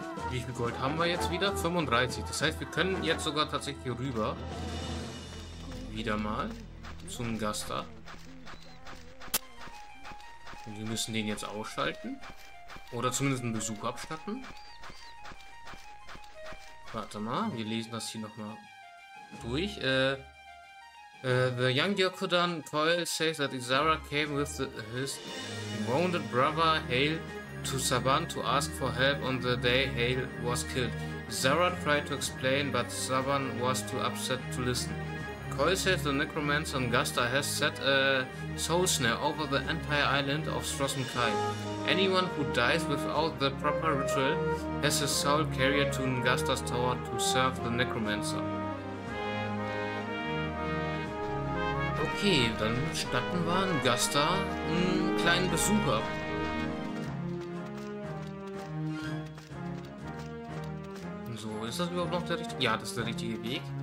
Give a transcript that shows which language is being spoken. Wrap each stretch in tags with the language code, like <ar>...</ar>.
<de>Wie viel Gold haben wir jetzt wieder? 35. Das heißt, wir können jetzt sogar tatsächlich rüber. Wieder mal. Zum Gaster. wir müssen den jetzt ausschalten. Oder zumindest einen Besuch abstatten. Warte mal, wir lesen das hier nochmal durch.</de> <en>The young Yokudan Coil says that Izara came with his wounded brother Hale to Saban to ask for help on the day Hale was killed. Izara tried to explain, but Saban was too upset to listen. Coil says the necromancer on Gusta has set a soul snare over the entire island of Stros M'kai. Anyone who dies without the proper ritual has a soul carrier to Ngasta's tower to serve the necromancer.</en> <de>Okay, dann statten wir Ngasta einen kleinen Besuch ab. So, ist das überhaupt noch der richtige? Ja, das ist der richtige Weg.</de>